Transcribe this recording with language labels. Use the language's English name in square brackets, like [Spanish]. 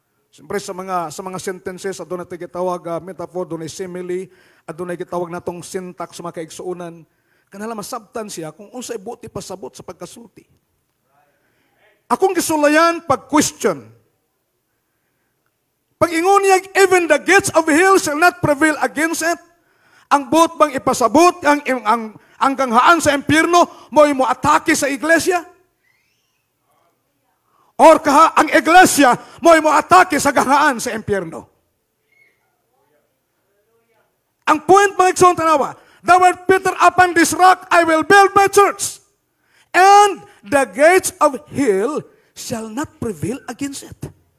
[Cebuano] Siyempre, sa mga sentences, adunay tayo gitawag metaphor, adunay simile, adunay gitawag natong syntax, mga kaigsuunan. Kanala masabtan siya kung unsay buti pasabot sa pagkasulti. Akong gisulayan, pag-question. Pag-ingon niya, [English] even the gates of hell shall not prevail against it. [Cebuano] Ang buot bang ipasabot, ang ganghaan sa impyerno, mo'y mo-atake sa iglesia? Or kaha, ang iglesia, mo'y mo-atake sa ganghaan sa impyerno? Ang point, mga iksong tanawa, [English] the word Peter, upon this rock, I will build my church, and the gates of hell shall not prevail against it.